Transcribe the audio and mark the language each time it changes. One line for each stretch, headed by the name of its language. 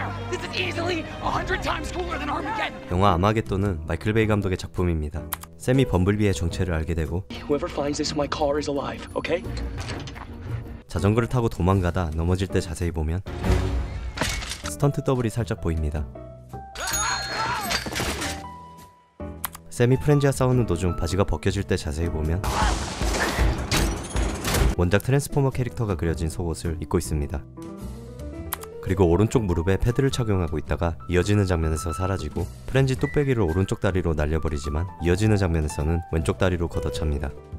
English: This is easily 100 times cooler than Armageddon.
Korean: 영화 아마겟돈은 마이클 베이 감독의 작품입니다. 샘이 범블비의 정체를 알게 되고
English: Whoever finds this, my car is alive, okay?
Korean: 자전거를 타고 도망가다 넘어질 때 자세히 보면 스턴트 더블이 살짝 보입니다. 샘이 프렌즈와 싸우는 도중 바지가 벗겨질 때 자세히 보면 원작 트랜스포머 캐릭터가 그려진 속옷을 입고 있습니다. 그리고 오른쪽 무릎에 패드를 착용하고 있다가 이어지는 장면에서 사라지고 프렌즈 뚝배기를 오른쪽 다리로 날려버리지만 이어지는 장면에서는 왼쪽 다리로 걷어찹니다.